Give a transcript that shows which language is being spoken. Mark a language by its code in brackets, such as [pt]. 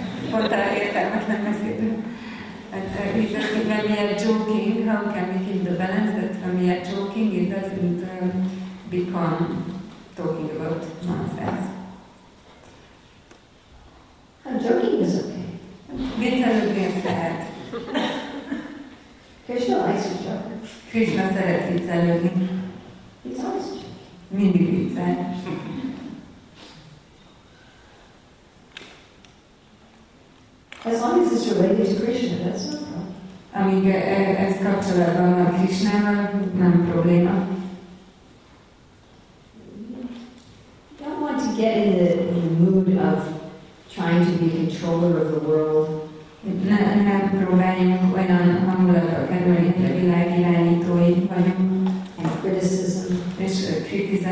[hu] Pont arra értelmetlen beszélünk. Hiszen, [en] when we are joking, how can we keep the balance that when we are joking, it doesn't become talking about nonsense. Joking is okay. [hu] Viccelődni. [en] Krishna likes to joke. [hu] Krishna szeret viccelődni. [en] He's always joking. [hu] Mindig viccel. [en] As long as it's related to Krishna, that's no problem. [hu] Amíg ez kapcsolatban a Krishnával, nem probléma. [en] I don't want to get in the mood of trying to be controller of the world. And criticism.